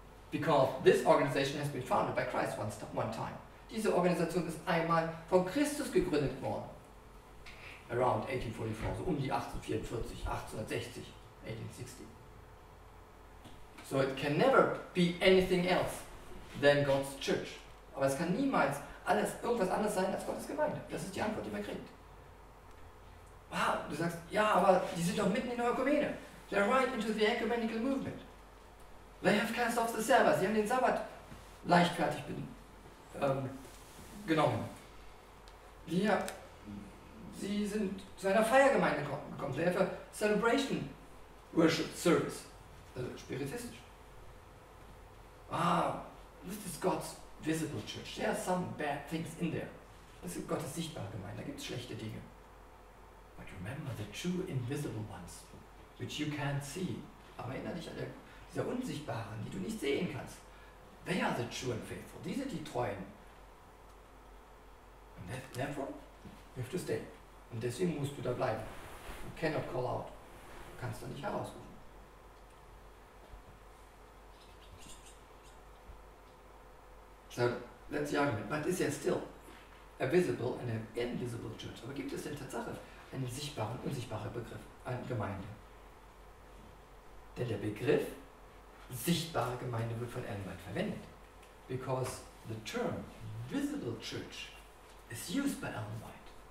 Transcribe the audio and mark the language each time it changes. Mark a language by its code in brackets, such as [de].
[en] Because this organization has been founded by Christ one time. [de] Diese Organisation ist einmal von Christus gegründet worden. [en] Around 1844, [de] so um die [en] 1844, 1860, 1860. So it can never be anything else than God's church. [de] Aber es kann niemals alles irgendwas anderes sein als Gottes Gemeinde. Das ist die Antwort, die man kriegt. Wow, du sagst, ja, aber die sind doch mitten in der Ökumene. [en] They're right into the ecumenical movement. They have cast off the Sabbath. [de] Sie haben den Sabbat leichtfertig genommen. Ja, sie sind zu einer Feiergemeinde gekommen. [en] They have a celebration worship service. [de] Also spiritistisch. [en] Ah, this is God's visible church. There are some bad things in there. [de] Das ist Gottes sichtbare Gemeinde. Da gibt es schlechte Dinge. [en] But remember the true invisible ones, which you can't see. [de] Aber erinnere dich an diese Unsichtbaren, die du nicht sehen kannst. [en] They are the true and faithful. [de] Die sind die Treuen. [en] And therefore, you have to stay. [de] Und deswegen musst du da bleiben. [en] You cannot call out. [de] Du kannst da nicht herausrufen. [en] So, that's the argument. But is there still a visible and an invisible church? [de] Aber gibt es denn tatsächlich einen sichtbaren, unsichtbaren Begriff, eine Gemeinde? Denn der Begriff sichtbare Gemeinde wird von Ellen White verwendet. [en] Because the term visible church is used by Ellen White.